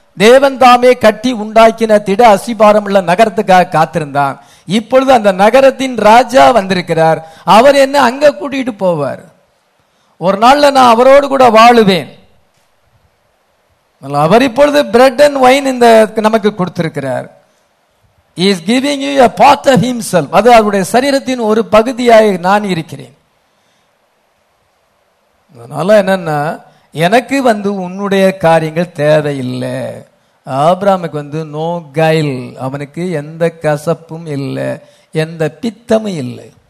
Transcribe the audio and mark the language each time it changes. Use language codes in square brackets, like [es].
[ta] தேவன் தாமே கட்டி உண்டாக்கின திட அசிபாரம் உள்ள நகரத்துக்காக காத்திருந்தான். இப்பொழுது அந்த நகரத்தின் ராஜா வந்திருக்கிறார், அவர் என்ன அங்க கூட்டிட்டு போவார். ஒரு நாள்ல நான் அவரோடு கூட வாழுவேன். அவர் இப்பொழுது [en] bread and wine [ta] இந்த நமக்கு கொடுத்திருக்கிறார். [en] He is giving you a part of himself. [ta] அது அவருடைய சரீரத்தின் ஒரு பகுதியாக நான் இருக்கிறேன். அதனால என்னன்னா, எனக்கு வந்து உன்னுடைய காரியங்கள் தேவையில்லை. ஆபிராமுக்கு வந்து [en] no guile, [ta] அவனுக்கு எந்த கசப்பும் இல்லை, எந்த பித்தமும் இல்லை.